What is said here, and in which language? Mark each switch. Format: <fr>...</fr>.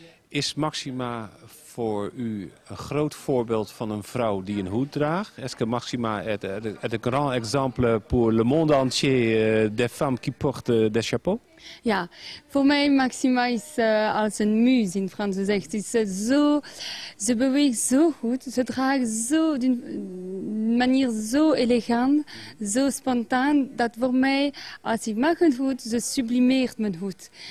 <nl>Is Maxima voor u een groot voorbeeld van een vrouw die een hoed draagt?</nl> <fr>Est-ce que Maxima est un grand exemple pour le monde entier des femmes qui portent des chapeaux?</fr> <nl>Ja, voor mij Maxima is als een muus in Frans gezegd. Ze beweegt zo goed, ze draagt zo op een manier zo elegant, zo spontaan, dat voor mij, als ik maak een hoed, ze sublimeert mijn hoed.</nl>